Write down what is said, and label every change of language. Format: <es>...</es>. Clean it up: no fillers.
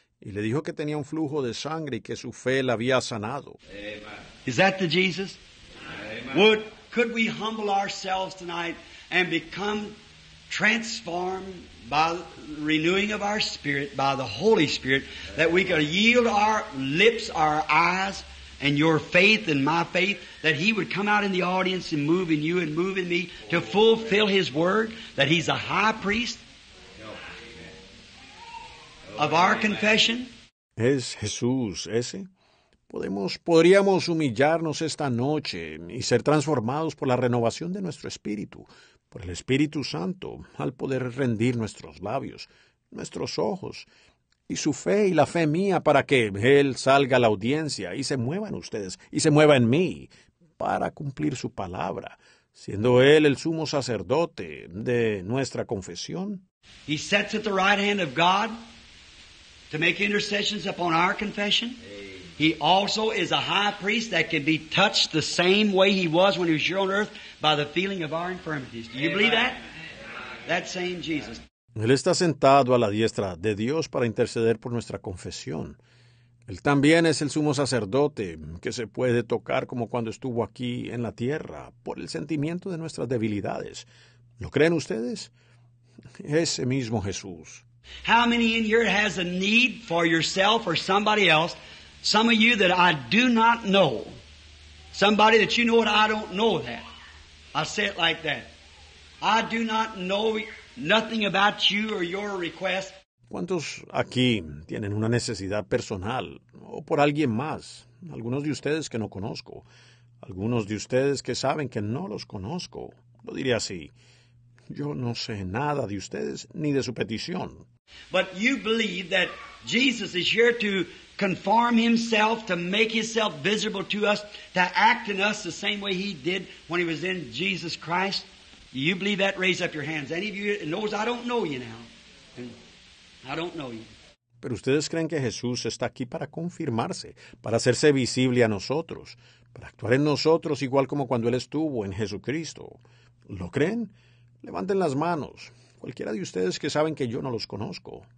<es>Y le dijo que tenía un flujo de sangre y que su fe la había sanado.</es> <en>Amen. Is that the Jesus? Amen. Could we humble ourselves tonight and become transformed by renewing of our spirit, by the Holy Spirit, that we could yield our lips, our eyes, and your faith and my faith, that He would come out in the audience and move in you and move in me to fulfill His word, that He's a high priest of our confession?</en> <es>¿Es Jesús ese? ¿Podríamos humillarnos esta noche y ser transformados por la renovación de nuestro espíritu, por el Espíritu Santo, al poder rendir nuestros labios, nuestros ojos, y su fe y la fe mía para que Él salga a la audiencia y se mueva en ustedes y se mueva en mí para cumplir su palabra, siendo Él el sumo sacerdote de nuestra confesión?</es> <en>He sits at the right hand of God to make intercessions upon our confession. He also is a high priest that can be touched the same way He was when He was here on earth by the feeling of our infirmities. Do you believe that? That same Jesus.</en> <es>Él está sentado a la diestra de Dios para interceder por nuestra confesión. Él también es el sumo sacerdote que se puede tocar como cuando estuvo aquí en la tierra por el sentimiento de nuestras debilidades. ¿Lo creen ustedes? Ese mismo Jesús.</es> <en>How many in here has a need for yourself or somebody else? Some of you that I do not know. Somebody that you know and I don't know that. I say it like that. I do not know nothing about you or your request.</en> <es>¿Cuántos aquí tienen una necesidad personal o por alguien más? Algunos de ustedes que no conozco. Algunos de ustedes que saben que no los conozco. Lo diré así. Yo no sé nada de ustedes ni de su petición.</es> <en>But you believe that Jesus is here to conform himself, to make himself visible to us, to act in us the same way he did when he was in Jesus Christ. You believe that? Raise up your hands. Any of you knows I don't know you now. I don't know you.</en> <es>Pero ustedes creen que Jesús está aquí para confirmarse, para hacerse visible a nosotros, para actuar en nosotros igual como cuando él estuvo en Jesucristo. ¿Lo creen? Levanten las manos. Cualquiera de ustedes que saben que yo no los conozco.</es>